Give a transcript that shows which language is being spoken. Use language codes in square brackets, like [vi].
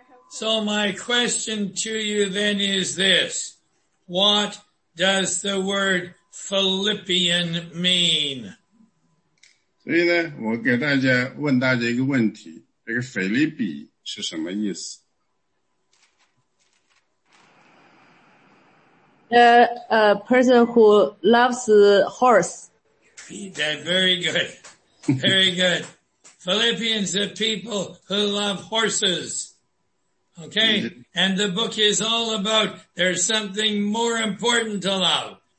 [en] So my question to you then is this. What does the word Philippian mean? [zh] 所以呢，我给大家问大家一个问题：这个腓立比是什么意思？ [en] The person who loves horse. That very good. Very good. Philippians are people who love horses. Okay? And the book is all about there's something more important to love.